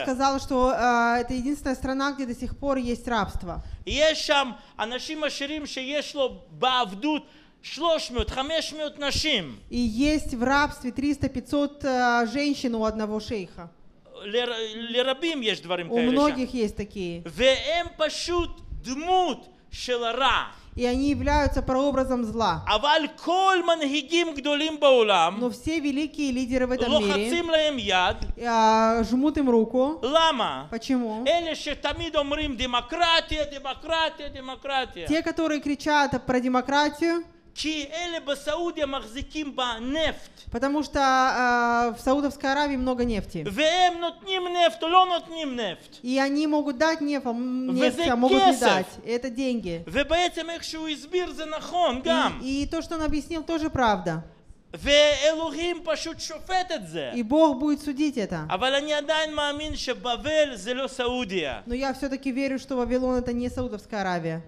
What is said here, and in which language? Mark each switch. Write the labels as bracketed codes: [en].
[ru] Он сказал, что это единственная страна, где до сих пор есть рабство. [he] יש שם אנשים עשירים שיש לו בעבדות 300-500 נשים. [ru] И есть в рабстве 300-500 женщин у одного шейха. [he] לרבים יש דברים כאלה. [ru] У многих есть такие. [he] והם פשוט דמות של הרע. [ru] И они являются прообразом зла. [he] אבל כל מנהיגים גדולים בעולם. [ru] Но все великие лидеры в этом мире. [he] לוחצים להם יד. [ru] Жмут им руку. [he] למה? [ru] Почему? [he] אלה שתמיד אומרים דמוקרטיה, דמוקרטיה, דמוקרטיה. [ru] Те, которые кричат про демократию. [he] כי אלה בסעודיה מחזיקים בנפט. [ru] Потому что в Саудовской Аравии много нефти. [he] והם נותנים נפט, לא נותנים נפט. [ru] И они могут дать нефть, а могут не дать. Это деньги. [he] ובעצם איך שהוא הסביר זה נכון גם. [ru] И то, что он объяснил, тоже правда. [he] ואלוהים פשוט שופט את זה. [ru] И Бог будет судить это. [he] אבל אני עדיין מאמין שבבל זה לא סעודיה. [ru] Но я все-таки верю, что Вавилон это не Саудовская Аравия.